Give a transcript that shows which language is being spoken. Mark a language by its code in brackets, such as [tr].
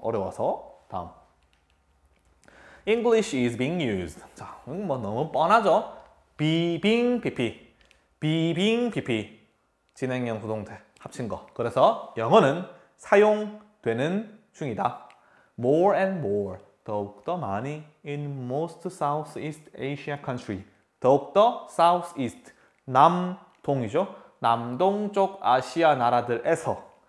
[ko] 어려워서. 다음. [en] English is being used. [ko] 자, 뭐 너무 뻔하죠? be, being, pp. [en] be, being, pp. [ko] 진행형 수동태 합친 거. 그래서 영어는 사용되는 중이다. [en] More and more, [ko] 더욱더 많이, [en] in most Southeast Asia country, [ko] 더욱더 [en] Southeast, [ko] 남동이죠. 남동쪽 아시아 나라들에서.